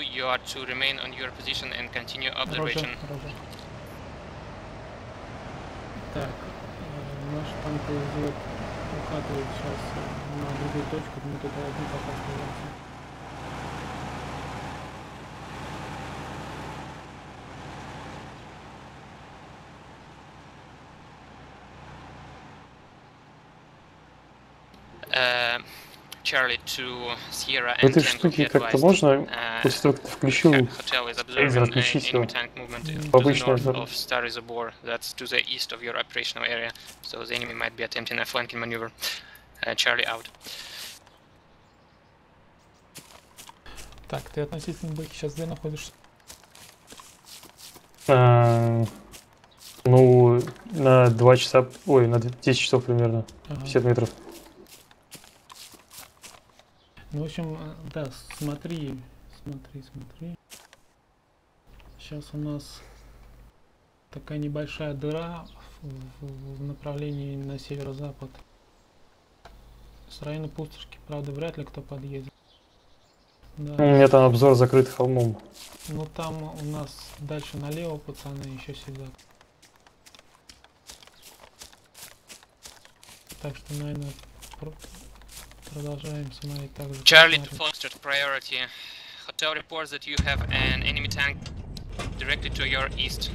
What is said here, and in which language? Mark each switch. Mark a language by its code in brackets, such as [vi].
[en] You are to remain on your position and continue observation. Roger, roger. [ru] Так, наш танк уже укатывает сейчас на другую точку, мы туда одни пока остаемся. [en] Charlie to Sierra [ru] and этой штуке как-то можно, после того, как ты включил лазер, отключить его. Обычно [en] Zabor, that's to the east of your operational area, so the enemy might be attempting a flanking maneuver. Charlie out. [ru] Так, ты относительно бэки сейчас где находишься? Ну, на 2 часа, ой, на 10 часов примерно, 50 метров. Ну, в общем, да, смотри, смотри, смотри. Сейчас у нас такая небольшая дыра в направлении на северо-запад. С района пустошки, правда, вряд ли кто подъедет. Да. У меня там обзор закрыт холмом. Ну, там у нас дальше налево пацаны еще сидят. Так что, наверное, продолжаем смотреть так же. [en] Charlie to Foster, priority. Hotel reports that you have an enemy tank directed to your east.